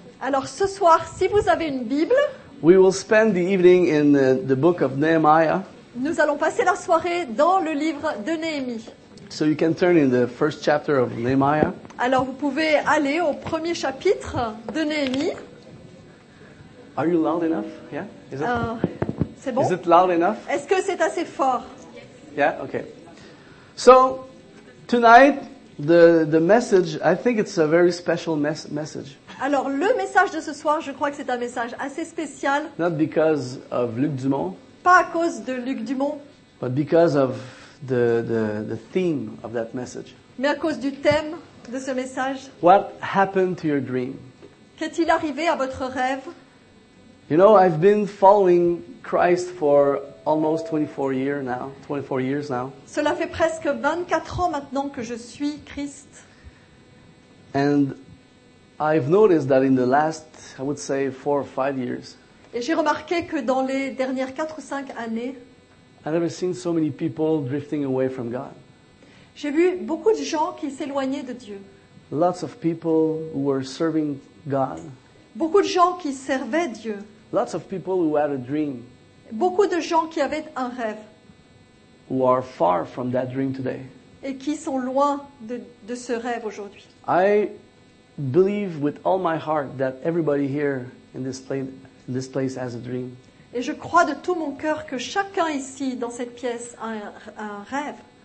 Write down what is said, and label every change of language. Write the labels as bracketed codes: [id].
[fr] Alors ce soir, si vous avez une Bible. [en] We will spend the evening in the book of Nehemiah. [fr] Nous allons passer la soirée dans le livre de Néhémie. [en] So you can turn in the first chapter of Nehemiah. [fr] Alors vous pouvez aller au premier chapitre de Néhémie. [en] Are you loud enough? Yeah. Is it? [fr] C'est bon. [en] Is it loud enough? [fr] Est-ce que c'est assez fort? [en] Yeah. Okay. So tonight the message, I think it's a very special message. [fr] Alors le message de ce soir, je crois que c'est un message assez spécial. [en] Not because of Luc Dumont. [fr] Pas à cause de Luc Dumont. [en] But because of the theme of that message. [fr] Mais à cause du thème de ce message. [en] What happened to your dream? [fr] Qu'est-il arrivé à votre rêve? [en] You know, I've been following Christ for almost 24 years now. 24 years now. [fr] Cela fait presque 24 ans maintenant que je suis Christ. [en] And I've noticed that in the last, I would say, 4 or 5 years. [fr] Et j'ai remarqué que dans les dernières 4 ou 5 années, [en] I've never seen so many people drifting away from God. [fr] J'ai vu beaucoup de gens qui s'éloignaient de Dieu. [en] Lots of people who were serving God. [fr] Beaucoup de gens qui servaient Dieu. [en] Lots of people who had a dream. [fr] Beaucoup de gens qui avaient un rêve. [en] Who are far from that dream today. [fr] Et qui sont loin de ce rêve aujourd'hui. [en] I believe with all my heart that everybody here in this place has a dream. [fr] Et je crois de tout mon cœur que chacun ici dans cette pièce a un rêve.